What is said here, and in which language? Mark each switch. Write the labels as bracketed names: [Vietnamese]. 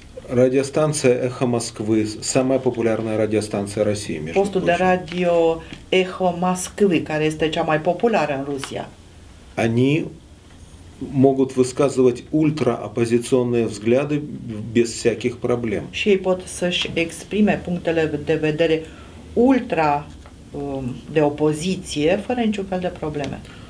[Russian] Радиостанция «Эхо Москвы», самая популярная радиостанция России, между [Romanian] Postul de radio «Эхо Москвы», care este cea mai populară în Rusia. [Russian] Они могут высказывать ультраопозиционные взгляды без всяких проблем. [Romanian] Și ei pot să-și exprime punctele de vedere ultra de opoziție, fără niciun fel de probleme.